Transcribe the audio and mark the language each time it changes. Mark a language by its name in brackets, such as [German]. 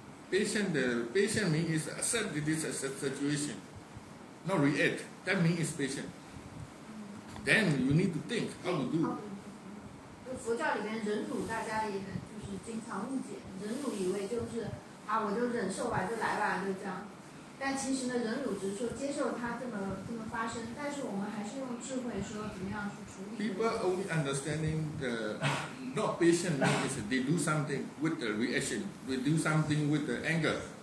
[English] Patient means is accept this situation. Not react. That means is patient. Then you need to think how to do. [Chinese] 但其实呢，忍辱直受，接受它这么发生，但是我们还是用智慧说怎么样去处理。 [English] People only understanding the not patient means they do something with the reaction, they do something with the anger.